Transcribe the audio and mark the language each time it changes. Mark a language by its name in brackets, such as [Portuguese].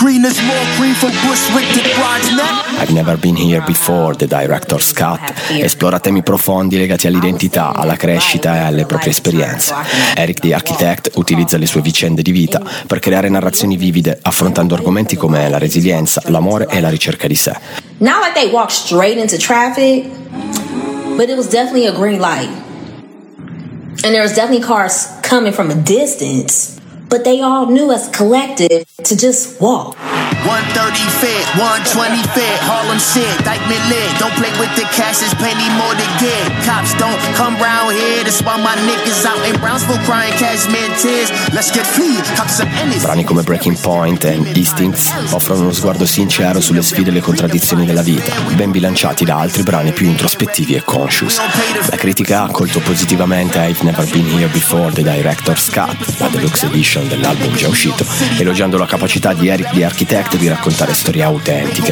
[Italian] I've never been here before, the director's cut esplora temi profondi legati all'identità, alla crescita e alle proprie esperienze. Eric the Architect utilizza le sue vicende di vita per creare narrazioni vivide, affrontando argomenti come la resilienza, l'amore e la ricerca di sé. [English] Not like they walked straight into traffic, but it was definitely a green light. And there was definitely cars coming from a distance, but they all knew as a collective to just walk. 130 fit, 120 fit, Harlem shit, Dykeman lit. Don't play with the cash, there's plenty more to get. Cops don't come round here, that's why my niggas out in Brownsville crying cashmere tears. Let's get free, cops are any. [Italian] Brani come Breaking Point e Instincts offrono uno sguardo sincero sulle sfide e le contraddizioni della vita, ben bilanciati da altri brani più introspettivi e conscious. La critica ha accolto positivamente I've Never Been Here Before, The Director's Cut, la deluxe edition dell'album già uscito, elogiando la capacità di Eric the Architect di raccontare storie autentiche.